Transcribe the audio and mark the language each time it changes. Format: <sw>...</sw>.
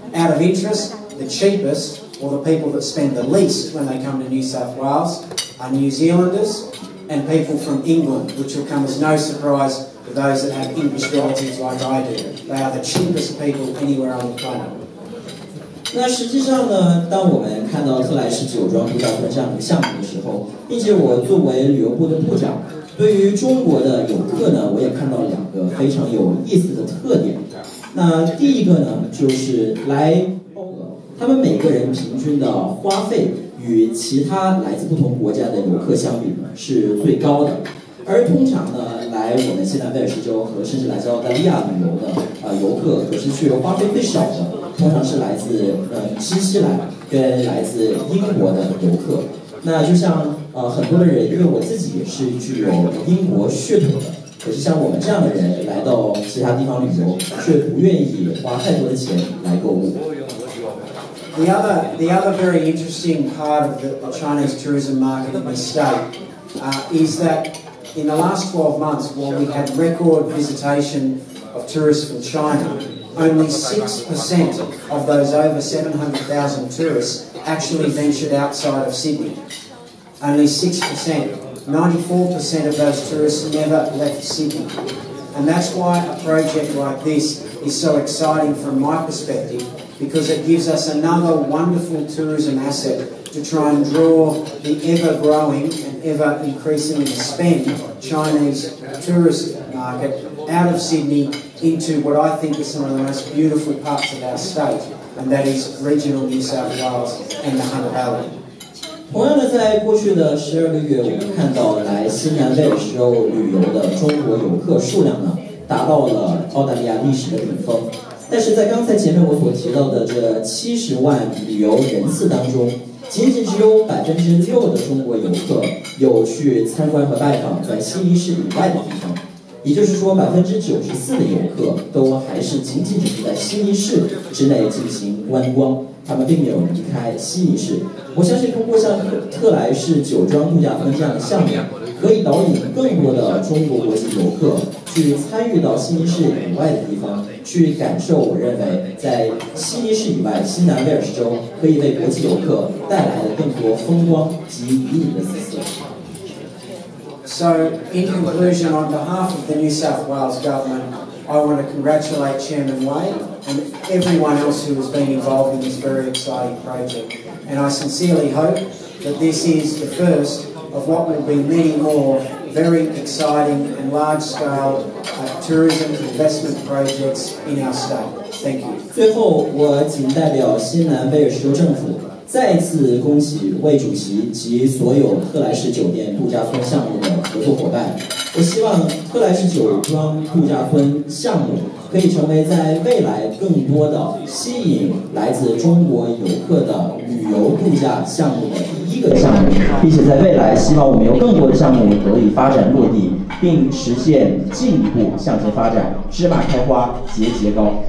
<en>Out of interest, the cheapest,or the people that spend the least when they come to New South Wales are New Zealanders and people from England, which will come as no surprise to those that have English relatives like I do. They are the cheapest people anywhere on the planet.</en> <zh>那实际上呢，当我们看到特莱士酒庄度假村这样的项目的时候，并且我作为旅游部的部长，对于中国的游客呢，我也看到两个非常有意思的特点。那第一个呢，就是来他们每个人平均的花费与其他来自不同国家的游客相比是最高的，而通常呢，来我们新南威尔士州和甚至来自澳大利亚旅游的游客，可是却花费最少的，通常是来自新西兰跟来自英国的游客。那就像很多的人，因为我自己也是具有英国血统的，可是像我们这样的人来到其他地方旅游，却不愿意花太多的钱来购物。</zh> <en>The other very interesting part of the Chinese tourism market in the state is that in the last 12 months, while we had record visitation of tourists from China, only 6% of those over 700,000 tourists actually ventured outside of Sydney. Only 6%. 94% of those tourists never left Sydney. And that's why a project like this is so exciting from my perspective. Because it gives us another wonderful tourism asset to try and draw the ever-growing and ever-increasingly spend Chinese tourist market out of Sydney into what I think is some of the most beautiful parts of our state, and that is regional New South Wales and the Hunter Valley.</en> <zh>同样的，在过去的12个月，我们看到来新南威尔士州旅游的中国游客数量呢，达到了澳大利亚历史的顶峰。但是在刚才前面我所提到的这70万旅游人次当中，仅仅只有6%的中国游客有去参观和拜访在悉尼市以外的地方，也就是说94%的游客都还是仅仅只是在悉尼市之内进行观光，他们并没有离开悉尼市。我相信通过像特莱士酒庄度假村这样的项目，可以导引更多的中国国籍游客去参与到悉尼市以外的地方，去感受我认为在悉尼市以外新南威尔士州可以为国际游客带来的更多风光及旅游的特色。</zh> <en>So, in conclusion, on behalf of the New South Wales government, I want to congratulate Chairman Wei and everyone else who has been involved in this very exciting project. And I sincerely hope that this is the first of what will be many more very exciting and large-scale tourism investment projects in our state. Thank you.</en> <zh>最后，我仅代表新南威尔士州政府再次恭喜魏主席及所有特莱士酒店度假村项目的合作伙伴。我希望特莱士酒庄度假村项目可以成为在未来更多的吸引来自中国游客的旅游度假项目的第一个项目，并且在未来希望我们有更多的项目得以发展落地，并实现进一步向前发展，芝麻开花节节高。</zh>